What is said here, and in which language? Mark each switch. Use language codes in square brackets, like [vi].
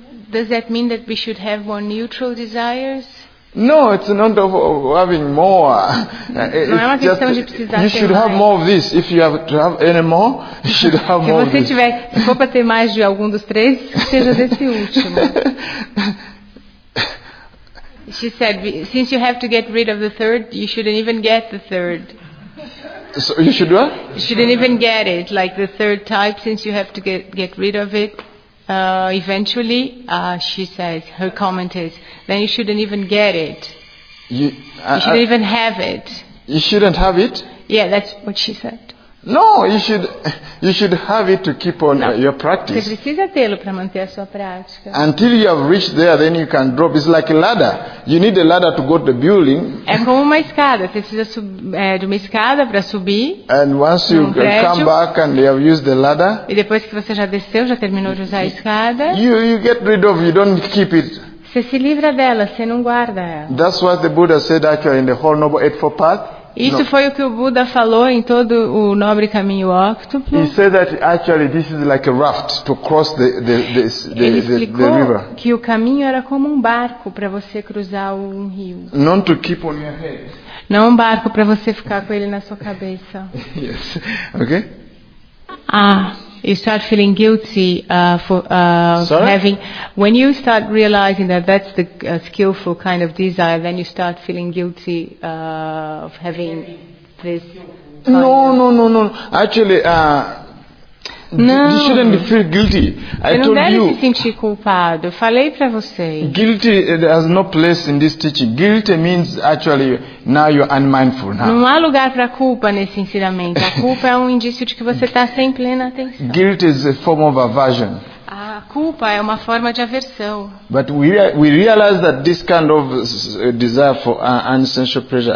[en] Does that mean that we should have more neutral desires? No, it's not of having more. It's just, you should have more of this. If you have to have any more, you should have more of this. [pt] Se você tiver, se for para ter mais de algum dos três, seja desse último. [en] She said, since you have to get rid of the third, you shouldn't even get the third. So you should what? You shouldn't even get it, like the third type, since you have to get rid of it. Eventually, she says, her comment is, then you shouldn't even get it. You shouldn't even have it. You shouldn't have it? Yeah, that's what she said. No, you should have it to keep on your practice. [pt] Você precisa tê-lo para manter a sua prática. [en] Until you have reached there, then you can drop. It's like a ladder. You need a ladder to go to the building. [pt] É como uma escada. Você precisa de uma escada para subir. [en] And once you come back and you have used the ladder. [pt] E depois que você já desceu, já terminou de usar a escada. [en] You get rid of. You don't keep it. [pt] Você se livra dela. Você não guarda ela. [en] That's what the Buddha said actually in the Whole Noble Eightfold Path. [pt] Isso foi o que o Buda falou em todo o nobre caminho octuplo. [en] He said that actually this is like a raft to cross the river. [pt] Ele explicou que o caminho era como um barco para você cruzar um rio. [en] Not to keep on your head. [pt] Não um barco para você ficar com ele na sua cabeça. [en] Yes. Okay? You start feeling guilty for having. When you start realizing that that's the skillful kind of desire, then you start feeling guilty of having this. No. Actually, no. You shouldn't feel guilty. I [pt] não [en] told [pt] deve [en] you. [pt] Se sentir culpado. Falei para você. [en] Guilty has no place in this teaching. Guilty means actually now you're unmindful now. [pt] Não há lugar para culpa nesse ensinamento. A culpa é um indício de que você está sem plena atenção. [en] Guilt is a form of aversion. [pt] A culpa é uma forma de aversão. [en] But we realize that this kind of desire for unsensual pleasure.